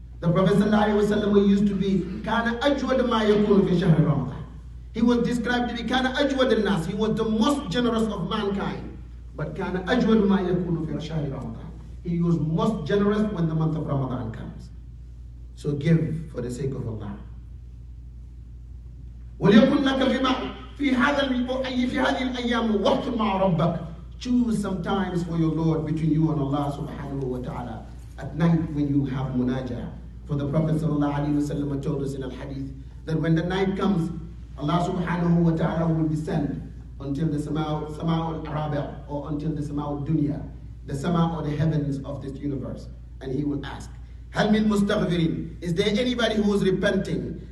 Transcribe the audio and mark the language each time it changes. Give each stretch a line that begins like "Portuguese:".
English: The Prophet sallallahu alaihi wasallam used to be
Arabic: kana ajwad ma yakunu fi shahr Ramadan.
English: He was described to be
Arabic: kana ajwad an-nas.
English: He was the most generous of mankind. But
Arabic: kana ajwad ma yakunu fi shahr Ramadan.
English: He was most generous when the month of Ramadan comes. So give for the sake of Allah.
Arabic: وليكن لك في هذا اي في هذه الايام وقت مع ربك.
English: Choose some times for your Lord between you and Allah subhanahu wa ta'ala. At night when you have munajah. For the Prophet sallallahu alaihi wasallam told us in al hadith that when the night comes, Allah subhanahu wa ta'ala will descend until the sama al rabi' or until the sama al dunya, the sama or the heavens of this universe, and he will ask,
Arabic: hal min mustaghfirin,
English: is there anybody who is repenting?